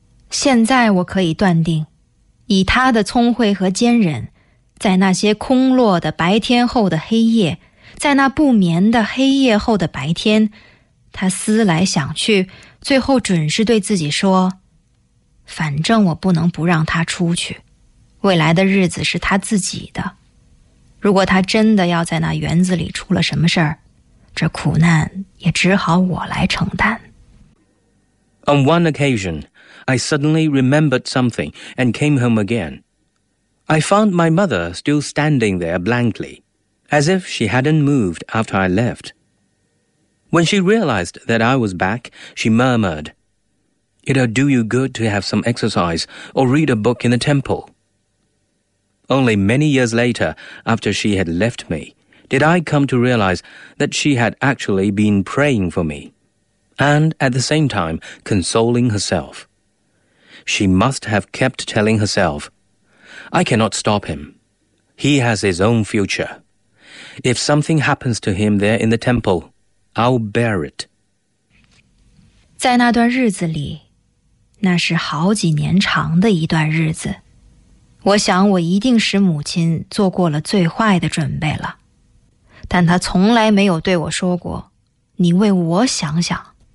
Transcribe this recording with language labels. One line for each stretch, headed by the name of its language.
Chinese: 现在我可以断定，以他的聪慧和坚忍，在那些空落的白天后的黑夜，在那不眠的黑夜后的白天，他思来想去，最后准是对自己说：反正我不能不让他出去，未来的日子是他自己的。如果他真的要在那园子里出了什么事儿，这苦难也只好我来承担。
English: On one occasion,I suddenly remembered something and came home again. I found my mother still standing there blankly, as if she hadn't moved after I left. When she realized that I was back, she murmured, "It'll do you good to have some exercise or read a book in the temple." Only many years later, after she had left me, did I come to realize that she had actually been praying for me, and at the same time consoling herself. She must have kept telling herself, I cannot stop him. He has his own future. If something happens to him there in the temple, I'll bear it.
Chinese: 在那段日子里，那是好几年长的一段日子，我想我一定使母亲做过了最坏的准备了。但她从来没有对我说过，你为我想想。